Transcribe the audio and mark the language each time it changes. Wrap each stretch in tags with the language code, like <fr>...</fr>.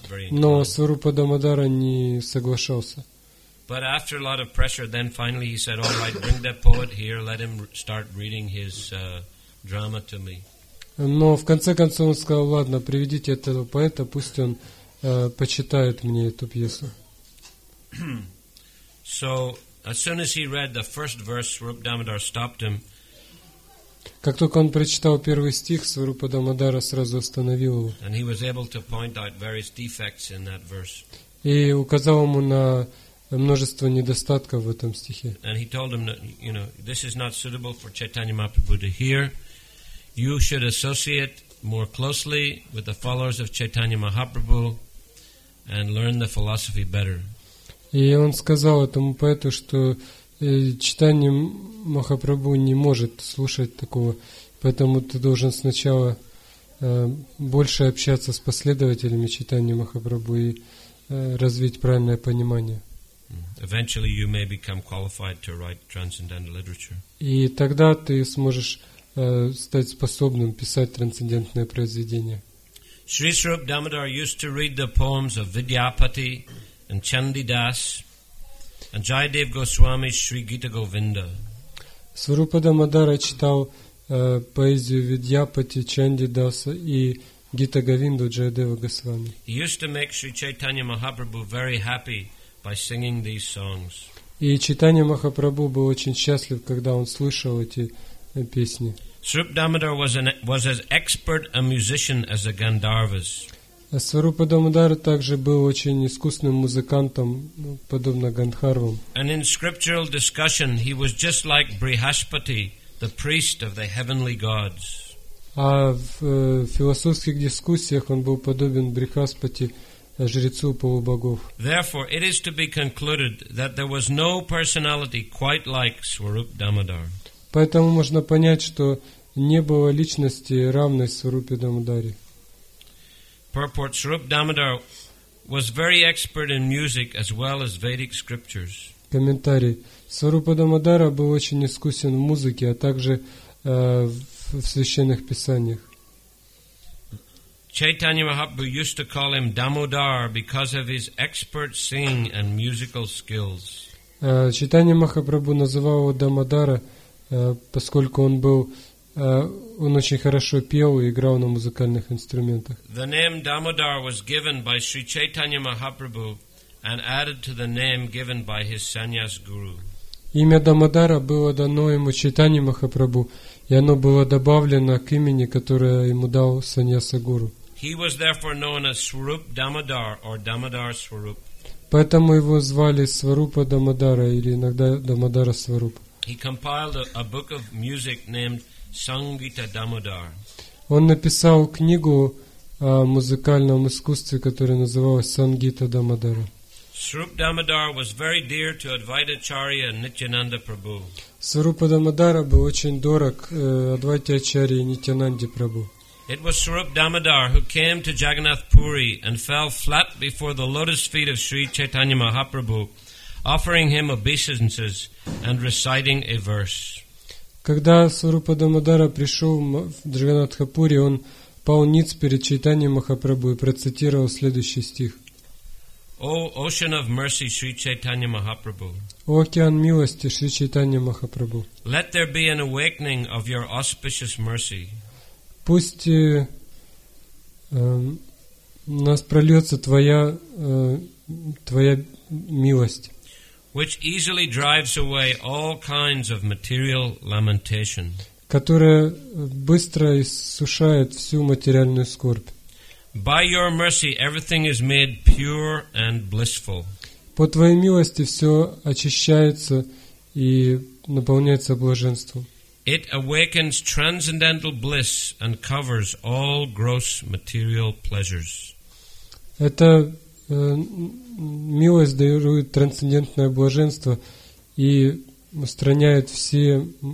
<ru>Но Сварупа Дамодара не соглашался.</ru> <en>But after a lot of pressure, then finally he said, "All right, bring that poet here, let him start reading his drama to me."</en> <ru>Но в конце концов он сказал, ладно, приведите этого поэта, пусть он почитает мне эту пьесу.</ru> <en>So, as soon as he read the first verse, Srup Damodar stopped him.</en> <ru>Как только он прочитал первый стих, Сварупа Дамодара сразу остановил его.</ru> <en>And he was able to point out various defects in that verse.</en> <ru>И указал ему на множество недостатков в этом стихе.</ru> <en>And he told him that, you know, this is not suitable for Chaitanya Mahaprabhu to hear. You should associate more closely with the followers of Chaitanya Mahaprabhu and learn the philosophy better.</en> <ru>И он сказал этому поэту, что Чайтанья Махапрабху не может слушать такого, поэтому ты должен сначала больше общаться с последователями Чайтанья Махапрабху и развить правильное понимание.</ru> <en>Eventually you may become qualified to write transcendental literature.</en> <ru>И тогда ты сможешь стать способным писать трансцендентное произведение.</ru> <en>Шри Сруп Дамодар used to read the poems of Vidyapati and Chandidas and Jayadev Goswami, Sri Gita Govinda.</en> <ru>Сварупа Дамодара читал поэзию Видьяпати, Чандидаса и Гита Говинду Джайдева Госвами.</ru> <en>He used to make Sri Chaitanya Mahaprabhu very happy by singing these songs.</en> <ru>И Чайтанья Махапрабху был очень счастлив, когда он слышал эти песни.</ru> <en>Srup Damodar was as expert a musician as the Gandharvas.</en> <ru>Сварупа Дамодар также был очень искусным музыкантом, подобно Гандхарвам.</ru> <en>And in scriptural discussion, he was just like Brihaspati, the priest of the heavenly gods.</en> <ru>А в философских дискуссиях он был подобен Брихаспати, жрецу полубогов.</ru> <en>Therefore, it is to be concluded that there was no personality quite like Srup Damodar.</en> <ru>Поэтому можно понять, что не было личности, равной Сварупе Дамодаре.</ru> <en>Purport: Srup Damodar was very expert in music as well as Vedic scriptures.</en> <ru>Комментарий: Сварупа Дамодара был очень искусен в музыке, а также в священных писаниях.</ru> <en>Chaitanya Mahaprabhu used to call him Damodar because of his expert singing and musical skills.</en> <ru>Чайтанья Махапрабху называл его Дамодара, поскольку он был он очень хорошо пел и играл на музыкальных инструментах.</ru> <en>The name Damodar was given by Sri Chaitanya Mahaprabhu and added to the name given by his sannyas guru.</en> <ru>Имя Дамодара было дано ему Чайтанья Махапрабху, и оно было добавлено к имени, которое ему дал саньяса гуру.</ru> <en>He was therefore known as Srup Damodar or Damodar Srup.</en> <ru>Поэтому его звали Сварупа Дамодара или иногда Дамодара Сваруп.</ru> <en>He compiled a book of music named Sangita Damodar.</en> <ru>Он написал книгу о музыкальном искусстве, которая называлась Сангита Дамодара.</ru> <en>Srupa Damodara was very dear to Advaita Acharya and Nityananda Prabhu.</en> <ru>Srupa Damodara был очень дорог Адвайте Ачарье и Нитьянанде Прабху.</ru> <en>It was Srupa Damodara who came to Jagannath Puri and fell flat before the lotus feet of Sri Chaitanya Mahaprabhu, offering him obeisances and reciting a verse.</en> <ru>Когда Срупа Дамодара пришел в Джаганатхапури, он пал ниц перед Чайтаньей Махапрабху и процитировал следующий стих.</ru> <en>O ocean of mercy, Sri Chaitanya Mahaprabhu.</en> <ru>О океан милости, Шри Чайтанья Махапрабху.</ru> <en>Let there be an awakening of your auspicious mercy.</en> <ru>Пусть нас прольется твоя твоя милость.</ru> <en>Which easily drives away all kinds of material lamentation.</en> <ru>Которая быстро иссушает всю материальную скорбь.</ru> <en>By your mercy, everything is made pure and blissful.</en> <ru>По твоей милости все очищается и наполняется блаженством.</ru> <en>It awakens transcendental bliss and covers all gross material pleasures.</en> <ru>Это милость дарует трансцендентное блаженство и устраняет все</ru>